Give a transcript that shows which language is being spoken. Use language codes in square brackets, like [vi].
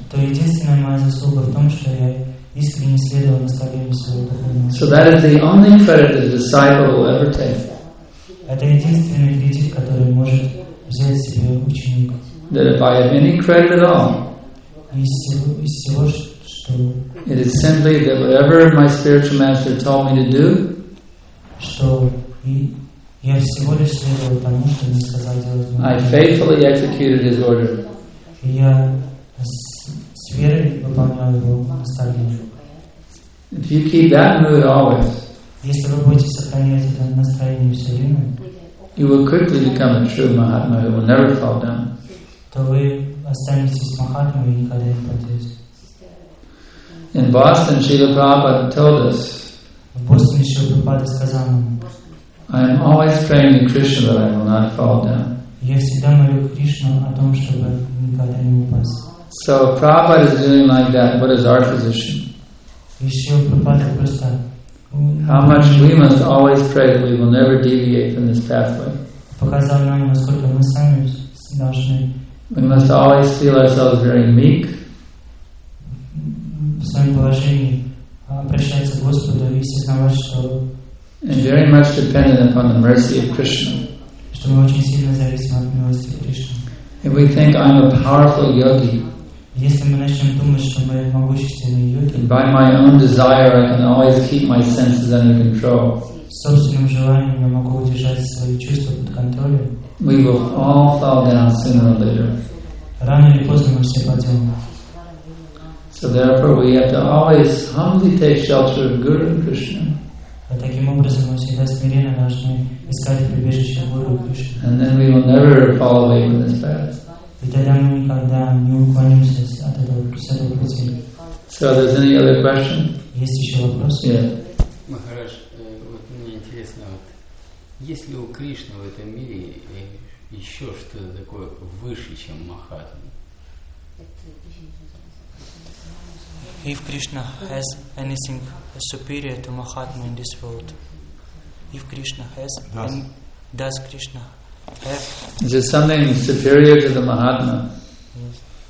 [en] So that is the only credit that a disciple will ever take. That if I have any credit at all, it is simply that whatever my spiritual master told me to do, [ru] я всего лишь следовал тому, что мне сказал делать. [en] I faithfully executed his order. [ru] Я с верой выполнял его наставление. [en] If you keep that mood always, [ru] если вы будете сохранять это настроение все время, [en] you will quickly become a true Mahatma who will never fall down. [ru] То вы останетесь Махатмой и никогда не падете. [en] In Boston, Srila Prabhupada told us, [ru] в Бостоне Шрила Прабхупада сказал нам, [en] I am always praying to Krishna that I will not fall down. [ru] Я всегда молю Кришну о том, чтобы никогда не упасть. [en] So if Prabhupada is doing like that, what is our position? How much we must always pray that we will never deviate from this pathway. [ru] Показал нам, насколько мы сами должны. [en] We must always feel ourselves very meek. [ru] В своем положении обращаться к Господу и сознавать, что [en] and very much dependent upon the mercy of Krishna. [ru] что мы очень сильно зависим от милости Кришны. [en] If we think I'm a powerful yogi, [ru] если мы начнем думать, что мы могущественные йоги, [en] by my own desire I can always keep my senses under control, [ru] собственным желанием я могу удержать свои чувства под контролем, [en] we will all fall down sooner or later. [ru] Рано или поздно мы все падем. [en] So therefore we have to always humbly take shelter of Guru and Krishna. [ru] А таким образом мы всегда смиренно должны искать прибежище Гуру Кришны. [en] And then we will never fall away from this path. [ru] И тогда мы никогда не уклонимся от этого пути. [en] So are there any other question? [ru] Есть еще вопросы? [en] Yeah. [ru] Махарадж, вот мне интересно, вот есть ли у Кришны в этом мире еще что-то такое выше, чем Махатма? [en] If Krishna has anything superior to Mahatma in this world, if Krishna has, then does Krishna have? Is there something superior to the Mahatma? Yes.